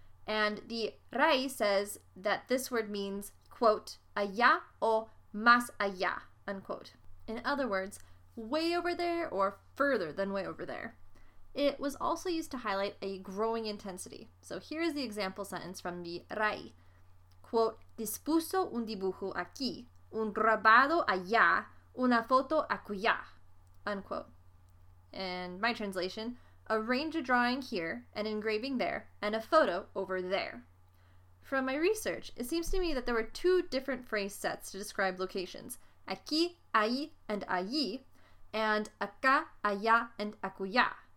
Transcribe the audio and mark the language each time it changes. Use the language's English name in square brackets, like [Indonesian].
[English] And the RAI says that this word means, quote, [Spanish] allá o más allá, [English] unquote. In other words, way over there or further than way over there. It was also used to highlight a growing intensity. So here is the example sentence from the RAI. Quote, [Spanish] dispuso un dibujo aquí, un grabado allá, una foto acuya, [English] unquote. And my translation, arrange a drawing here, an engraving there, and a photo over there. From my research, it seems to me that there were two different phrase sets to describe locations, aquí, ahí, and allí, and acá, allá, and acuya.